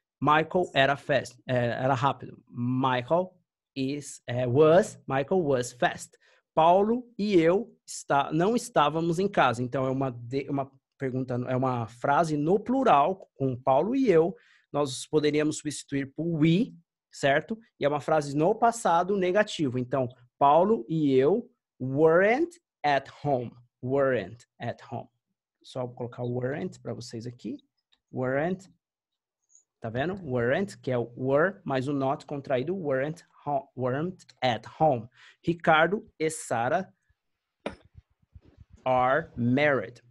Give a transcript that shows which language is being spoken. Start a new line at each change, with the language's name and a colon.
Portuguese: Michael era fast. Era rápido.
English: Michael is was. Michael was fast.
Portuguese: Paulo e eu não estávamos em casa. Então, é uma pergunta, é uma frase no plural com Paulo e eu. Nós poderíamos substituir por we, certo? E é uma frase no passado negativo. Então, Paulo e eu
English: weren't at home. Weren't at home.
Portuguese: Só vou colocar weren't para vocês aqui. Weren't. Tá vendo? Weren't, que é o were, mais o not contraído.
English: Weren't, weren't at home. Ricardo e Sara are married.